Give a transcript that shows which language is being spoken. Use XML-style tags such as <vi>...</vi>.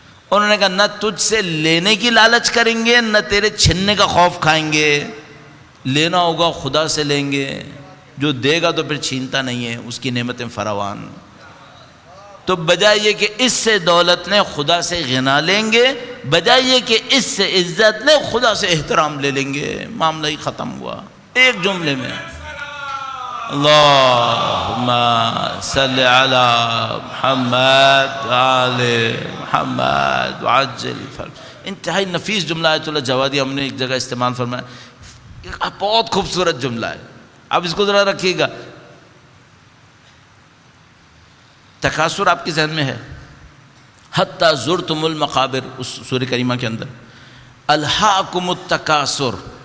<ur>انہوں نے کہا نہ تجھ سے لینے کی لالچ کریں گے نہ تیرے چھننے کا خوف کھائیں گے, لینا ہوگا خدا سے لیں گے, جو دے گا تو پھر چھینتا نہیں ہے, اس کی نعمتیں فراوان. تو بجائے یہ کہ اس سے دولت نے خدا سے غنا لیں گے, بجائے یہ کہ اس سے عزت نے خدا سے احترام لے لیں گے, معاملہ ہی ختم ہوا ایک جملے میں.</ur> <ar>اللهم صل على محمد وعلى محمد وعجل فرج.</ar> <ur>انتہائی نفیس جملہ آیت اللہ جوادی ہم نے ایک جگہ استعمال فرمایا, بہت خوبصورت جملہ ہے, آپ اس کو ذرا رکھیے گا. تکاثر آپ کے ذہن میں ہے, حتی زرتم المقابر, اس سورہ کریمہ کے اندر الحاکم التکاثر.</ur>